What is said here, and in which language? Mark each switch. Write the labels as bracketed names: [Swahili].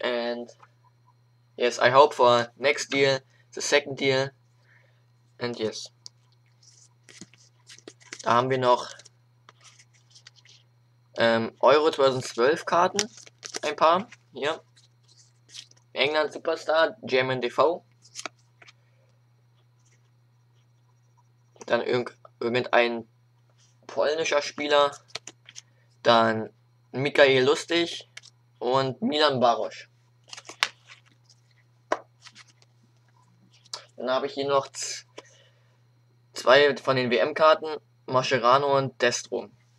[English] And yes, I hope for next deal, the second deal. And yes. [German] Da haben wir noch Euro 2012 Karten. Ein paar. Hier. England Superstar, German DV. Dann irgendein polnischer Spieler. Dann Michael Lustig und Milan Baroš. Dann habe ich hier noch zwei von den WM-Karten, Mascherano und Destro.